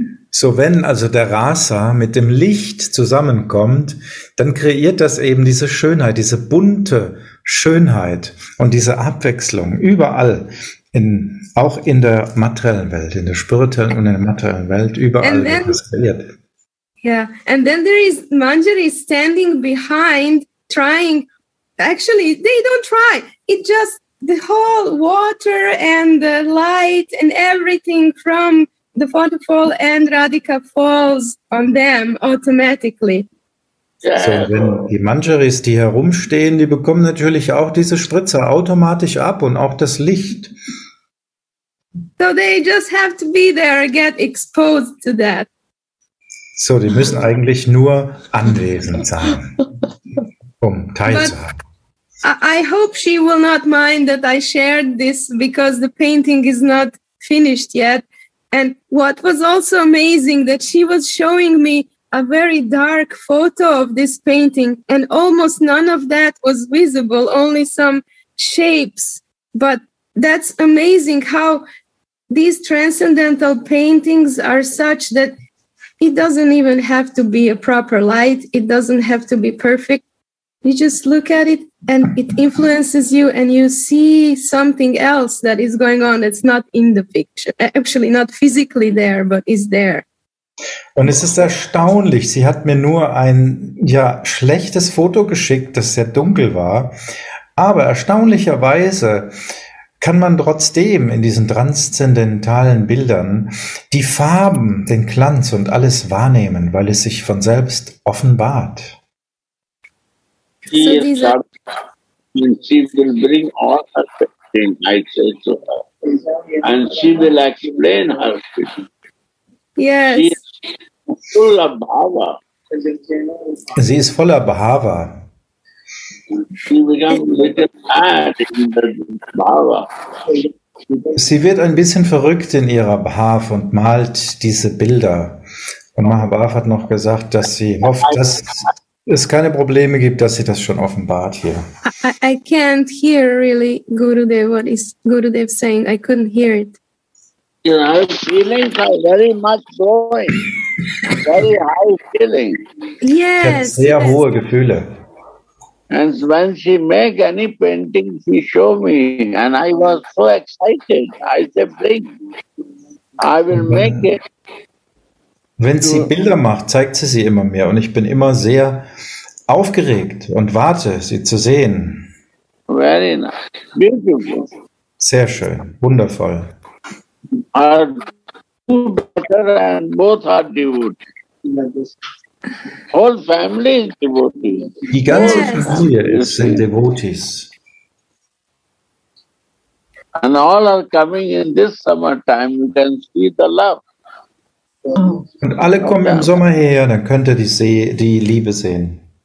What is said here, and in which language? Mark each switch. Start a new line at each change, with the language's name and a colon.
German: So, wenn also der Rasa mit dem Licht zusammenkommt, dann kreiert das eben diese Schönheit, diese bunte Schönheit und diese Abwechslung überall, auch in der materiellen Welt, in der spirituellen und in der materiellen Welt, überall wird das kreiert.
English: Yeah, and then there is Manjari standing behind, trying, actually, they don't try, it just, the whole water and the light and everything from the waterfall and Radhika falls on them automatically.
German: So, wenn die Manjaris, die herumstehen, die bekommen natürlich auch diese Spritzer automatisch ab und auch das Licht.
English: So they just have to be there and get exposed to that.
German: So, die müssen eigentlich nur anwesend sein, um teilzuhaben.
English: I hope she will not mind that I shared this because the painting is not finished yet. And what was also amazing that she was showing me a very dark photo of this painting, and almost none of that was visible, only some shapes. But that's amazing how these transcendental paintings are such that it doesn't even have to be a proper light. It doesn't have to be perfect. You just look at it and it influences you and you see something else that is going on that's not in the picture, actually not physically there, but is there.
German: Und es ist erstaunlich, sie hat mir nur ein schlechtes Foto geschickt, das sehr dunkel war, aber erstaunlicherweise kann man trotzdem in diesen transzendentalen Bildern die Farben, den Glanz und alles wahrnehmen, weil es sich von selbst offenbart.
English: She will bring all her things, I say to her, and she will explain her things. Yes. She is full of bhava.
German: Sie ist voller Bhava.
English: She becomes a little mad in the bhava.
German: Sie wird ein bisschen verrückt in ihrer Bhava und malt diese Bilder. Und Mahabharata hat noch gesagt, dass sie hofft, dass es keine Probleme gibt, dass sie das schon offenbart hier.
English: I can't hear really Gurudev, what is Gurudev saying. I couldn't hear it. You know, her feelings are very much growing. Very high feelings. Yes.
German: Sehr hohe Gefühle.
English: And when she make any painting, she show me. And I was so excited. I said, bring. I will make it.
German: Wenn sie Bilder macht, zeigt sie sie immer mehr und ich bin immer sehr aufgeregt und warte, sie zu sehen.
English: Very nice. Beautiful.
German: Sehr schön, wundervoll.
English: And both are devotees. Whole family is devotees.
German: Die ganze Familie ist in Devotees.
English: And all are coming in this summertime, you can see the love.
German: Und alle kommen im Sommer her, dann könnt ihr die Liebe sehen.